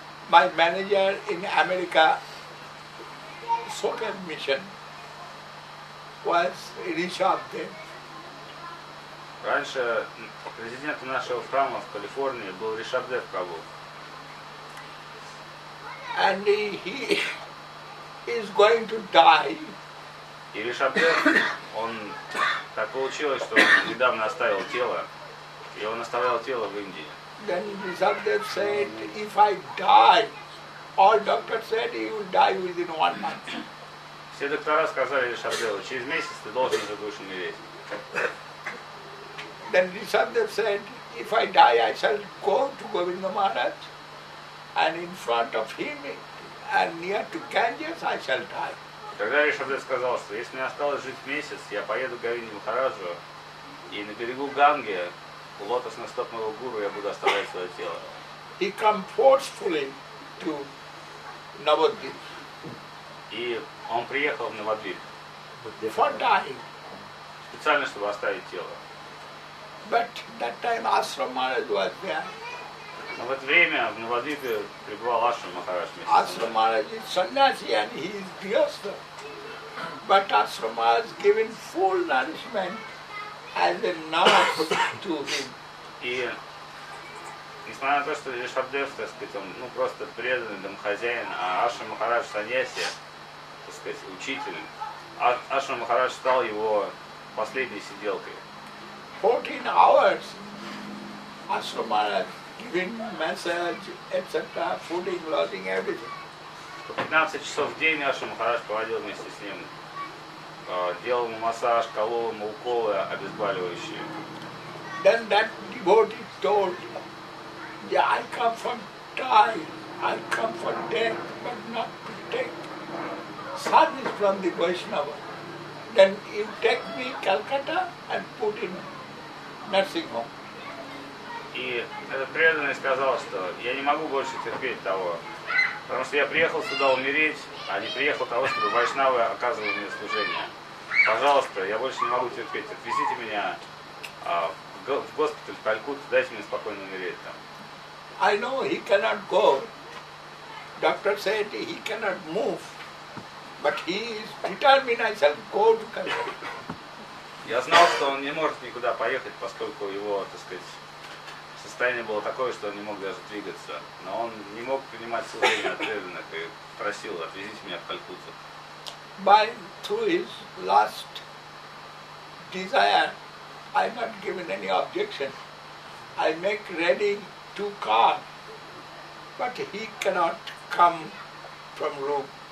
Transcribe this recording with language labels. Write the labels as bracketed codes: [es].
[en] My manager in America, Sokhan Mission, was Rishabh Dev. [ru] Раньше президентом нашего храма в Калифорнии был Ришабдев Прабху. [en] And he is going to die. [ru] И Ришабдев, он так получилось, что он недавно оставил тело, и он оставлял тело в Индии. [en] Then Ришабдев said, if I die, all doctors said he will die within 1 month. [ru] Все доктора сказали Ришабдеву, через месяц ты должен уже будешь умереть. [en] Then Ришабдев said, if I die, I shall go to Govinda Maharaj, and in front of him, and near to Ganges, I shall die. [ru] Когда Ришабдев сказал, что если мне осталось жить месяц, я поеду к Говинде Махараджу, и на берегу Ганги, у лотосных стоп моего гуру, я буду оставлять свое тело. [en] He came forcefully to Navadvip. [ru] И он приехал в Навадвип. [en] For dying. [ru] Специально, чтобы оставить тело. [en] But that time Ashram Maharaj was there. [ru] Но в это время в Навадвипе пребывал Ашрам Махарадж. [en] Ашрам Махарадж is sannyasi and he is gyastha. But Ashram Maharaj has given full nourishment as a nurse to him. [ru] И несмотря на то, что Ришабдев, так сказать, он ну, просто преданный домохозяин, а Ашрам Махарадж саньяси, так сказать, учитель, Ашрам Махарадж стал его последней сиделкой. [en] 14 hours Ашрам Махарадж giving massage, etc., fooding, lodging, everything. [ru] 15 часов в день Ашрам Махарадж проводил вместе с ним. Делал ему массаж, колол ему уколы обезболивающие. [en] Then that devotee told, yeah, I come from time, I come from death, but not to take service from the Vaishnava. Then you take me to Calcutta and put in nursing home. [ru] И этот преданный сказал, что я не могу больше терпеть того, потому что я приехал сюда умереть, а не приехал того, чтобы вайшнавы оказывали мне служение. Пожалуйста, я больше не могу терпеть. Отвезите меня в госпиталь в Калькутту, дайте мне спокойно умереть там. [en] I know he cannot go. Doctor said he cannot move. But he is determined I shall go to Calcutta. [ru] Я знал, что он не может никуда поехать, поскольку его, так сказать, состояние было такое, что он не мог даже двигаться, но он не мог принимать служение от преданных и просил, отвезите меня в Калькутту. [en] By through his last desire, I not given any objection. I make ready to call, but he cannot come from room.